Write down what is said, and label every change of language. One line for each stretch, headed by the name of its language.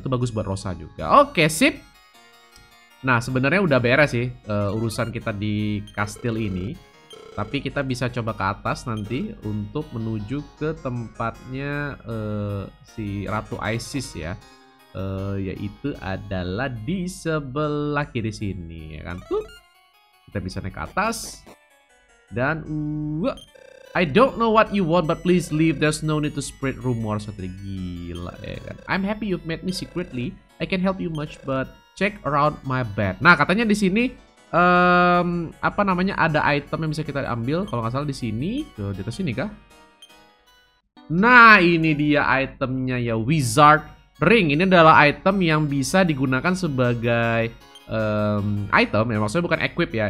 Indonesian: Itu bagus buat Rosa juga. Oke, sip. Nah, sebenarnya udah beres sih urusan kita di kastil ini. Tapi kita bisa coba ke atas nanti untuk menuju ke tempatnya si Ratu Isis ya. Yaitu adalah di sebelah kiri sini, ya kan? Kita bisa naik ke atas.
English: Dan, I don't know what you want, but please leave. There's no need to spread rumors.
Indonesian: Gila, ya kan?
English: I'm happy you've met me secretly. I can help you much, but check around my bed.
Indonesian: Nah, katanya di sini ada item yang bisa kita ambil. Kalau nggak salah di sini, di atas sini kah? Nah, ini dia itemnya ya, Wizard Ring. Ini adalah item yang bisa digunakan sebagai item. Ya, maksudnya bukan equip ya.